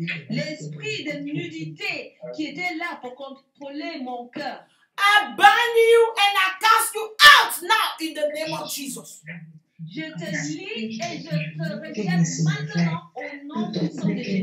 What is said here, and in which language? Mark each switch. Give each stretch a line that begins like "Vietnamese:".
French: L'esprit de nudité qui était là pour contrôler mon cœur.
English: I bind you and I cast you out now in the name of Jesus.
French: Je te lis et je te rejette maintenant au nom de Jésus.